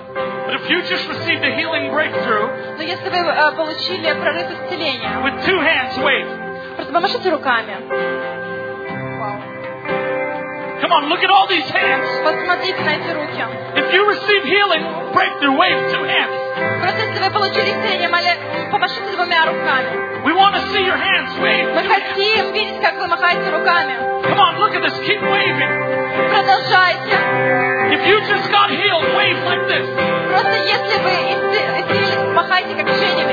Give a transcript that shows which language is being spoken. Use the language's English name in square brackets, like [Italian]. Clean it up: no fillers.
[English] But if you just received a healing breakthrough, [Russian] но если вы получили прорыв исцеления, [English] with two hands, wait. [Russian] Просто помашите руками. [English] Come on, look at all these hands. [Russian] Посмотрите на эти руки. [English] If you receive healing, breakthrough, wave two hands. [Russian] Просто если вы получили исцеление, помашите двумя руками. [English] We want to see your hands wave. [Russian] Мы хотим видеть, как вы махаете руками. [English] Come on, look at this. Keep waving. [Russian] Продолжайте. [English] If you just got healed, wave like this. [Russian] Просто если вы исцелились, махайте как женщины.